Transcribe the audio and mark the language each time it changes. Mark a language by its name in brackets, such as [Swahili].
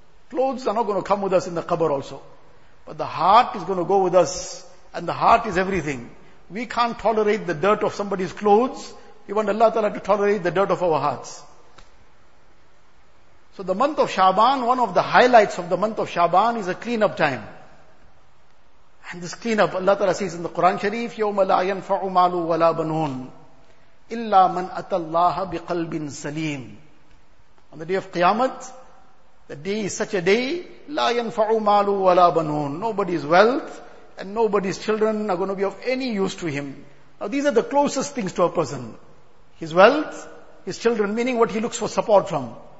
[English] Clothes are not going to come with us in the qabr also. But the heart is going to go with us, and the heart is everything. We can't tolerate the dirt of somebody's clothes. We want Allah Ta'ala to tolerate the dirt of our hearts. So the month of Shaban, one of the highlights of the month of Shaban is a clean-up time. And this clean-up, Allah Ta'ala says in the Quran Sharif, [Arabic] يَوْمَ لَا يَنْفَعُ مَالُ وَلَا بَنُونَ إِلَّا مَنْ أَتَى اللَّهَ بِقَلْبٍ سَلِيمٍ. [English] On the day of Qiyamah, the day is such a day, [Arabic] لَا يَنْفَعُ مَالُ وَلَا بَنُونَ. [English] Nobody's wealth and nobody's children are going to be of any use to him. Now these are the closest things to a person. His wealth, his children, meaning what he looks for support from.